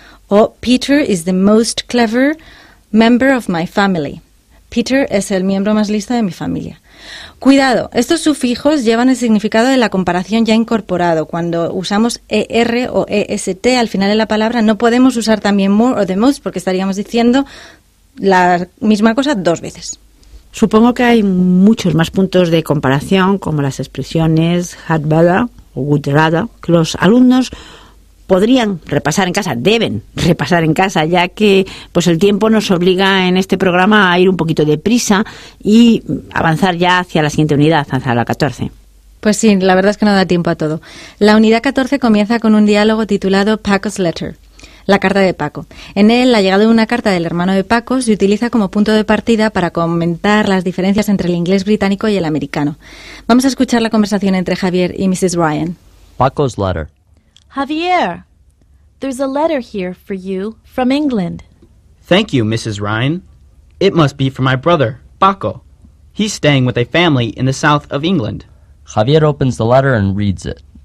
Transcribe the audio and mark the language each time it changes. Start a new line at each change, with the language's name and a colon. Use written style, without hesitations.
English: O Peter is the most clever member of my family.
Spanish: Peter es el miembro más listo de mi familia. Cuidado, estos sufijos llevan el significado de la comparación ya incorporado. Cuando usamos er o est al final de la palabra, no podemos usar también more o the most porque estaríamos diciendo la misma cosa dos veces. Supongo que hay muchos más puntos de comparación, como las expresiones had better o would rather, que los alumnos podrían repasar en casa, deben repasar en casa, ya que pues el tiempo nos obliga en este programa a ir un poquito deprisa y avanzar ya hacia la siguiente unidad, hacia la 14. Pues sí, la verdad es que no da tiempo a todo. La unidad 14 comienza con un diálogo titulado Paco's Letter, la carta de Paco. En él, la llegada de una carta del hermano de Paco se utiliza como punto de partida para comentar las diferencias entre el inglés británico y el americano. Vamos a escuchar la conversación entre Javier y Mrs. Ryan.
English: Paco's Letter. Javier, there's a letter here for you from England. Thank you, Mrs. Ryan. It must be for my brother, Paco. He's staying with a family in the south of England. Javier opens the letter and reads it.